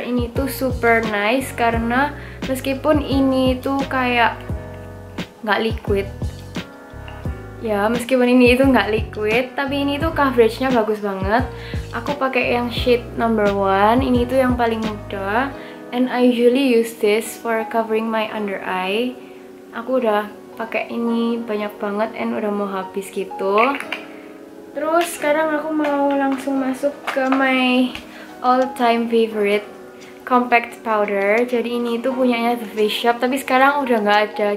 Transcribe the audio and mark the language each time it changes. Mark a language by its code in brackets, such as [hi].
[id] Ini tuh super nice karena meskipun ini tuh kayak nggak liquid. Ya, meskipun ini itu nggak liquid, tapi ini tuh coveragenya bagus banget. Aku pakai yang shade number 1, ini tuh yang paling muda. [en] And I usually use this for covering my under eye. [id] Aku udah pakai ini banyak banget and udah mau habis gitu. Terus sekarang aku mau langsung masuk ke [en] my all time favorite compact powder. [id] Jadi ini tuh punyanya The Face Shop, tapi sekarang udah nggak ada.